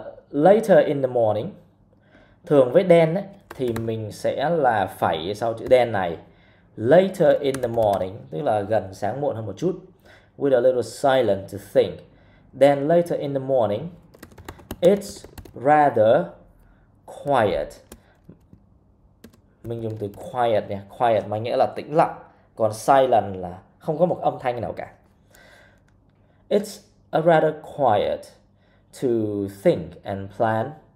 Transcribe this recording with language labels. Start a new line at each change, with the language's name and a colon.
English: Later in the morning.
Vietnamese: Thường với then ấy, thì mình sẽ là phải sau chữ then này.
English: Later in the morning,
Vietnamese: tức là gần sáng muộn hơn một chút.
English: With a little silence to think. Then later in the morning, it's rather quiet.
Vietnamese: Mình dùng từ quiet nhé. Quiet mà nghĩa là tĩnh lặng. Còn silence là không có một âm thanh nào cả.
English: It's a rather quiet to think and plan.